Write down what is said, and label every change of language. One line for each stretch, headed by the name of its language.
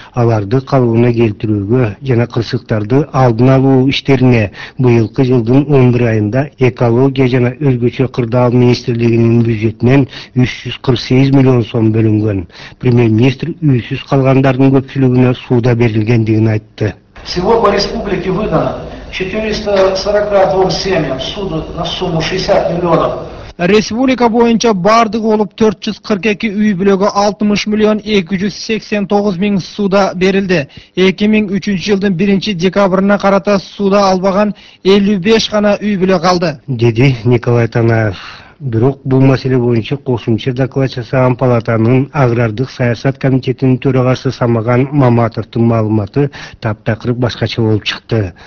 Kyrgyz: Аларды калыбына келтирүүгө жана кырсыктарды алдын алуу иштерине быйылкы жылдын 11 айында экология жана өзгөчө кырдаал министрлигинин бюджетинен 348 миллион сом бөлүнгөн. Премьер-министр үйсүз калгандардын көпчүлүгүнө сууда берилгендигин айтты.
Russian: Всего по республике выдано 442 семьям суду на сумму 60 миллионов.
Kyrgyz: Республика боюнча бардык болуп 442 үй бүлөгө 60,289,000 сууда берилди. 2003 жылдын 1 декабрына карата сууда албаган 55 гана үй бүлө калды, деди Николай Танаев. Бирок бул маселе боюнча кошумча доклад жасаган палатанын агрардык саясат комитетинин төрагасы Самаган Маматовдун маалыматы таптакыр башкача болуп чыкты.